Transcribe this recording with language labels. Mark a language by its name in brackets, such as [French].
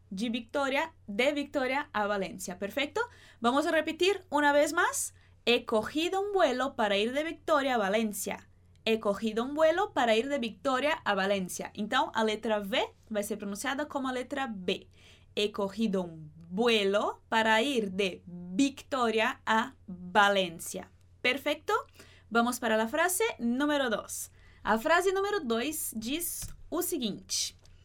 [Spanish] De Victoria a Valência, [Portuguese] perfeito? Vamos repetir uma vez mais. [Spanish] He cogido un vuelo para ir de Victoria a Valência. He cogido un vuelo para ir de Victoria a Valência. [Portuguese] Então, a letra V vai ser pronunciada como a letra B. [Spanish] He cogido un vuelo para ir de Victoria a Valencia. Perfecto. Vamos para la frase número 2. [Portuguese] A frase número 2 diz o seguinte.